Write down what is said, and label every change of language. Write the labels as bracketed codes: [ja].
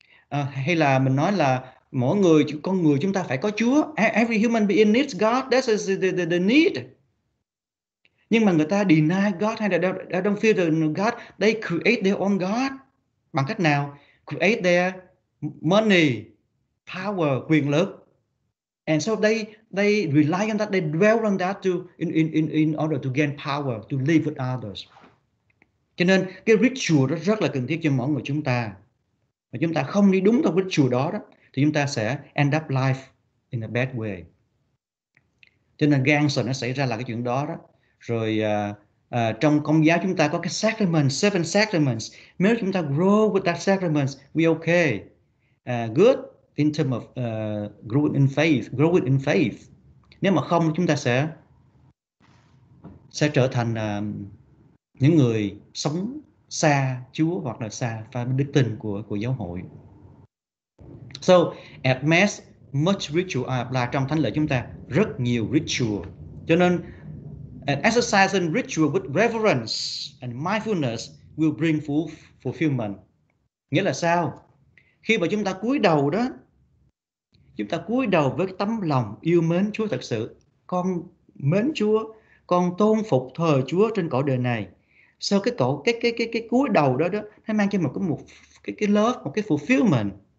[vi] Hay là mình nói là mỗi người, con người chúng ta phải có Chúa. [en] Every human being needs God. That is the need. [vi] Nhưng mà người ta [en] deny God, [vi] hay là [en] don't fear the God. They create their own God. [vi] Bằng cách nào? [en] create their money, power, [vi] quyền lực. [en] And so they rely on that, they dwell on that to in order to gain power, to live with others. [vi] Cho nên cái ritual đó rất là cần thiết cho mỗi người chúng ta. Và chúng ta không đi đúng theo ritual đó đó, thì chúng ta sẽ [en] end up life in a bad way. [vi] Cho nên gan sợ nó xảy ra là cái chuyện đó đó. Rồi trong Công giáo chúng ta có cái sacraments, [en] seven sacraments. [vi] Nếu chúng ta [en] grow with that sacraments, we okay. Good in terms of growing in faith. [vi] Nếu mà không, chúng ta sẽ trở thành những người sống xa Chúa hoặc là xa và đức tin của giáo hội. [en] So, at mass, much ritual [vi] là trong thánh lễ chúng ta rất nhiều ritual. Cho nên [en] exercising ritual with reverence and mindfulness will bring fulfillment. [vi] Nghĩa là sao? Khi mà chúng ta cúi đầu đó, chúng ta cúi đầu với tấm lòng yêu mến Chúa thật sự, con mến Chúa, con tôn phục thờ Chúa trên cõi đời này. Sau cái cúi đầu đó đó, nó mang cho mình một cái love, một cái fulfillment.